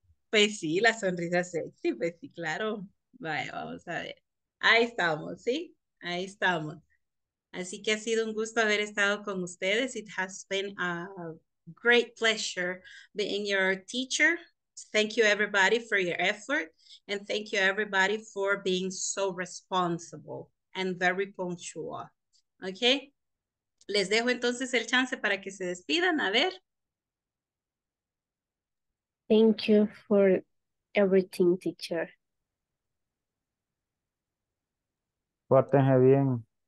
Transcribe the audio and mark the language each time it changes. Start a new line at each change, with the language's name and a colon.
Spanish: Pues sí, la sonrisa sexy, pues sí, claro. Vaya, vamos a ver. Ahí estamos, ¿sí? Ahí estamos. Así que ha sido un gusto haber estado con ustedes.
English: It has been a great pleasure being your teacher. Thank you everybody for your effort. And thank you everybody for being so responsible and very punctual. Okay?
Spanish: Les dejo entonces el chance para que se despidan. A ver.
English: Thank you for everything, teacher.
Spanish: Pórtense bien.